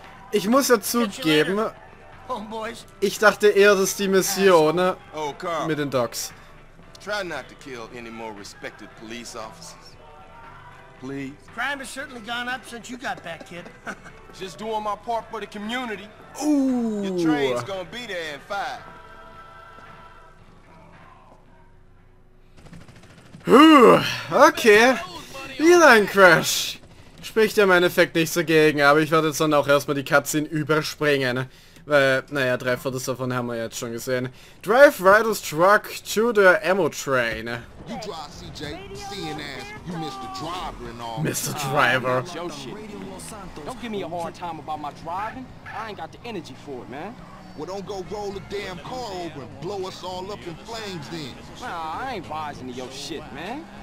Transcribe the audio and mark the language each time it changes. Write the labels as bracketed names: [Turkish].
[German] Ich muss ja zugeben, ich dachte eher, dass die Mission, ne? Oh, Carl, mit den Docks. [English] Try not to kill any more respected police officers. Please. Crime has certainly gone up since you got back, kid. Just doing my part for the community. Ooh. Your train's gonna be there in 5. [German] Okay. Wieder ein Crash. Spricht ja im Endeffekt nichts dagegen, aber ich werde jetzt dann auch erstmal die Cutscene überspringen. Weil, naja, 3/4 davon haben wir jetzt schon gesehen. [English] Drive Ryder's truck to the ammo train. You drive, CJ. Seeing as you missed the driver and all. Mr. Driver. Don't give me a hard time about my driving. I ain't got the energy for it, man. Well, don't go roll a damn car over and blow us all up in flames then. Nah, I ain't rising to your shit, man.